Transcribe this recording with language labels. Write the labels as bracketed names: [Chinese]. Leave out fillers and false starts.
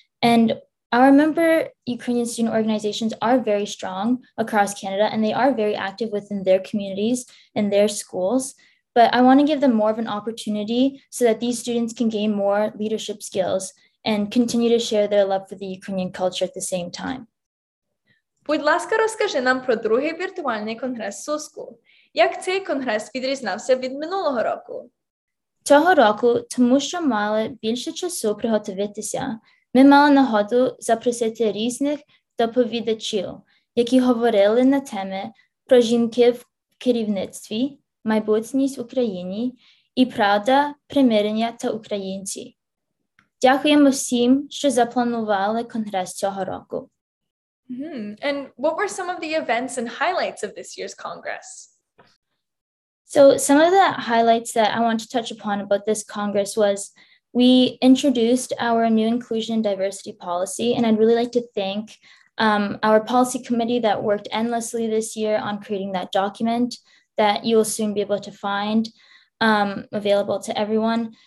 [English] And our member Ukrainian student organizations are very strong across Canada, and they are very active within their communities and their schools. But I want to give them more of an opportunity so that these students can gain more leadership skills and continue to share their love for the Ukrainian culture at the same time. [Ukrainian] Будь ласка, розкажи нам про другий віртуальний конгрес СУСКУ. Як цей конгрес відрізнався від минулого року? Цього року, тому що мали більше часу приготуватися, ми мали нагоду запросити різних доповідачів, які говорили на теми про жінки в керівництві, майбутність в Україні і правда примирення та українці. Дякуємо всім, що запланували конгрес цього року. [English] And what were some of the events and highlights of this year's Congress? So some of the highlights that I want to touch upon about this Congress was we introduced our new inclusion and diversity policy, and I'd really like to thank our policy committee that worked endlessly this year on creating that document that you will soon be able to find available to everyone.